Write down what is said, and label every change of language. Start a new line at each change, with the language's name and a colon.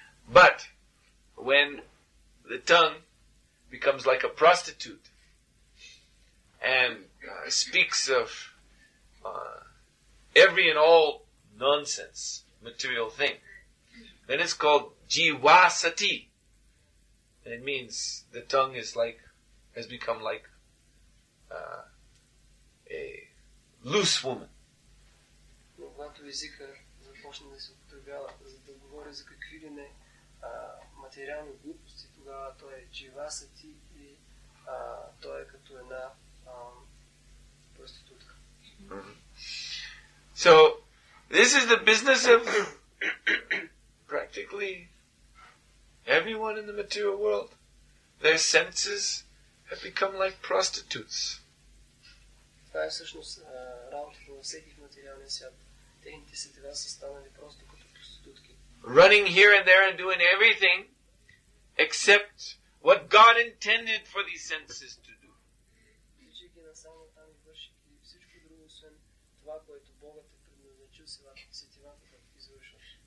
English: But when the tongue becomes like a prostitute and speaks of every and all nonsense, material thing, then it's called jivasati. And it means the tongue is like, has become like a loose woman.
Bulgarian: Когато езика започне да се употребява, за да говори за какви ли не материални глупости, тогава той е jivasati и той е като една проститутка.
English: So, this is the business of practically everyone in the material world. Their senses have become like prostitutes.
Bulgarian: Това е всъщност работата на всеки в материалния свят. Техните сетива са станали просто като проститутки.
English: Running here and there and doing everything except what God intended for these senses to do.
Bulgarian: Виждайки насамо там и вършики всичко друго, освен това, което Богът е предназначил сетивата да извършва.